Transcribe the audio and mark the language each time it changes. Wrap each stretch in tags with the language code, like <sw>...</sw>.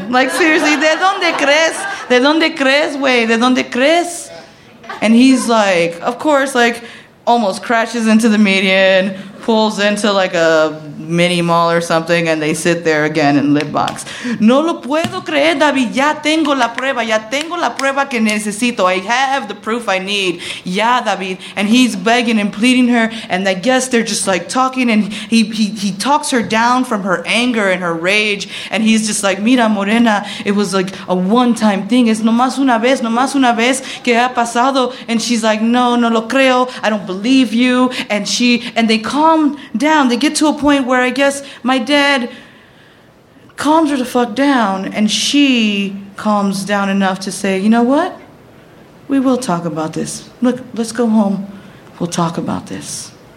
<en>Like, seriously,</en> <es>de donde crees? De donde crees, wey? De donde crees?</es> <en>And he's like, of course, like, almost crashes into the median, pulls into, like, a mini mall or something, and they sit there again in lip box.</en> <es>No lo puedo creer, David. Ya tengo la prueba que necesito.</es> <en>I have the proof I need.</en> <es>Ya, David.</es> <en>And he's begging and pleading her, and I guess they're just, like, talking, and he talks her down from her anger and her rage, and he's just like,</en> <es>mira, morena,</es> <en>it was, like, a one-time thing.</en> <es>Es nomás una vez que ha pasado.</es> <en>And she's like,</en> <es>no, no lo creo.</es> <en>I don't believe you. And she, and they calm down. They get to a point where I guess my dad calms her the fuck down, and she calms down enough to say, you know what? We will talk about this. Look, let's go home. We'll talk about this.</en>